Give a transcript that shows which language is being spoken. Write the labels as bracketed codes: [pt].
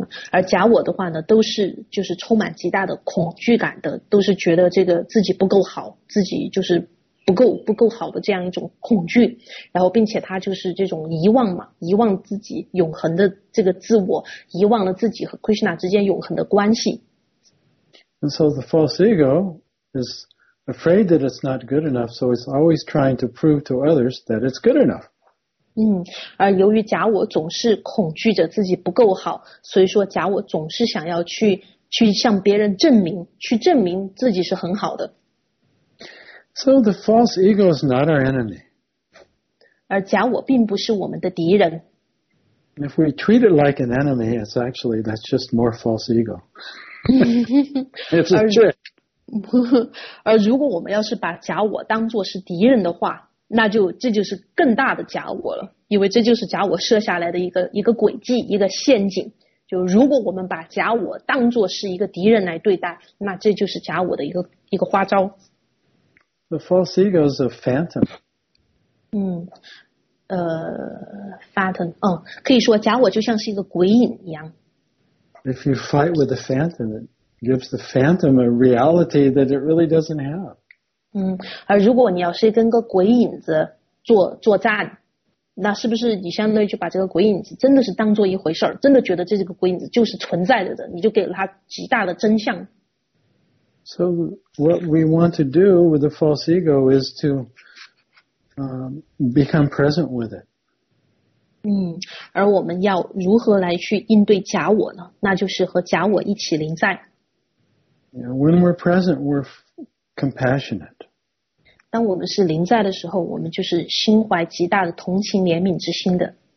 [zh] 而假我的话呢，都是就是充满极大的恐惧感的，都是觉得这个自己不够好，自己就是不够好的这样一种恐惧，然后并且他就是这种遗忘嘛，遗忘自己永恒的这个自我，遗忘了自己和 Krishna 之间永恒的关系。 [en] And so the false ego is afraid that it's not good enough, so it's always trying to prove to others that it's good enough. [zh] 而由于假我总是恐惧着自己不够好，所以说假我总是想要去向别人证明，去证明自己是很好的。 [en] So the false ego is not our enemy. [zh] 而假我并不是我们的敌人。 [en] If we treat it like an enemy, it's actually that's just more false ego. It's a trick. [zh] 而如果我们要是把假我当作是敌人的话，那就这就是更大的假我了，因为这就是假我设下来的一个诡计，一个陷阱。就如果我们把假我当作是一个敌人来对待，那这就是假我的一个花招。 [en] The false ego is a phantom. phantom. [zh] 可以说假我就像是一个鬼影一样。 [en] If you fight with the phantom, it gives the phantom a reality that it really doesn't have. [zh] 而如果你要是跟个鬼影子作战，那是不是你相当于就把这个鬼影子真的是当做一回事儿，真的觉得这个鬼影子就是存在着的，你就给了他极大的真相。 [en] So what we want to do with the false ego is to become present with it. [zh] 而我们要如何来去应对假我呢？那就是和假我一起临在。 [en] Yeah, when we're present, we're compassionate. [zh] 当我们是临在的时候，我们就是心怀极大的同情怜悯之心的。